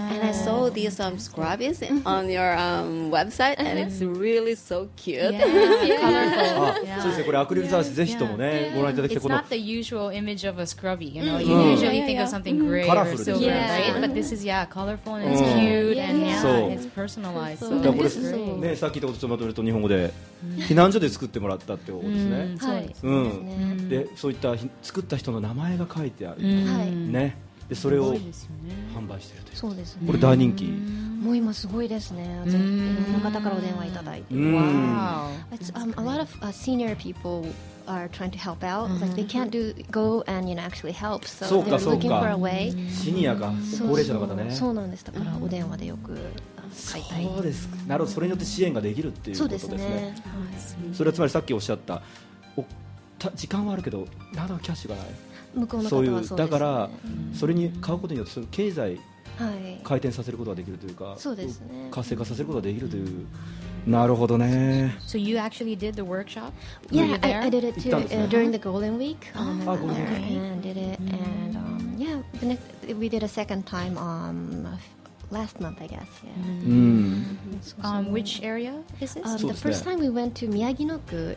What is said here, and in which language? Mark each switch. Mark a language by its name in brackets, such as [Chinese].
[English] And I saw these scrubbies on your website, and it's really so cute. Yeah, it's colorful. It's not the usual image of a scrubby. You know, you usually think of something gray or silver, right? But this is, colorful, and it's cute, it's personalized. [Japanese] 避難所で作ってもらったってことですね。で、そういった作った人の名前が書いてある。はい。ね。でそれを販売してるという。そうですね。これ大人気。もう今すごいですね。いろんな方からお電話いただいて。 [English] A lot of senior people are trying to help out. Like they can't go and actually help. So they're looking for a way. [Japanese] シニアか高齢者の方ね。そうなんです。だからお電話でよく。そうです。なるほど。それによって支援ができるっていうことですね。そうですね。それはつまりさっきおっしゃった、時間はあるけどなどキャッシュがない、向こうの方はそうですね。だからそれに買うことによって経済回転させることができるというか、そうですね、活性化させることができるという。なるほどね。 [English] So you actually did the workshop? Yeah, I did it too during the Golden Week. Golden Week. And did it and we did a second time last month, I guess. Yeah. Mm. Mm. Which area is this? The first time we went to Miyaginoku.